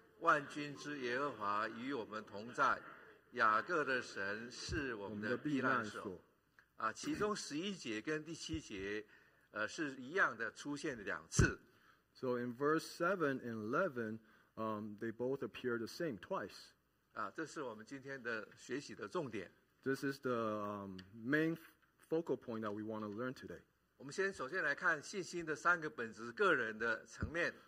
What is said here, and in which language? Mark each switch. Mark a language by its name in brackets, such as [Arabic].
[Chinese] 万军之耶和华与我们同在，雅各的神是我们的避难所。啊，其中十一节跟第七节，是一样的，出现了两次。 [English] So in verse 7 and 11. They both appear the same twice. [Chinese] 啊，这是我们今天的学习的重点。 [English] This is the main focal point that we want to learn today. [Chinese] 我们先首先来看信心的三个本质，个人的层面。